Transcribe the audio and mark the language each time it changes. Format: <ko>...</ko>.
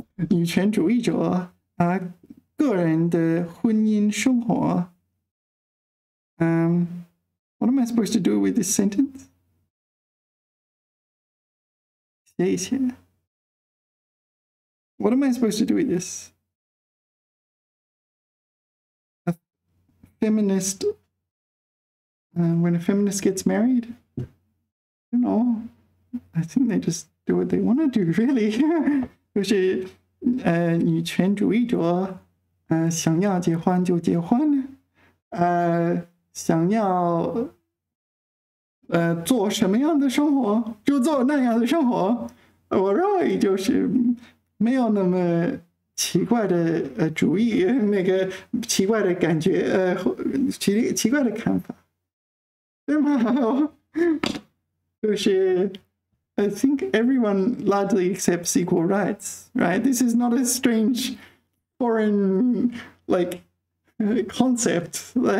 <zh>女权主义者个人的婚姻生活。</zh> <en>What am I supposed to do with this sentence? What am I supposed to do with this? A feminist, when a feminist gets married? I don't know. I think they just do what they want to do, really.</en> <zh>就是女权主义者想要结婚就结婚，想要做什么样的生活就做那样的生活。我认为就是没有那么奇怪的主意，那个奇怪的感觉，奇怪的看法，对吗？就是</zh> <en>I think everyone largely accepts equal rights, right? This is not a strange foreign like concept.</en>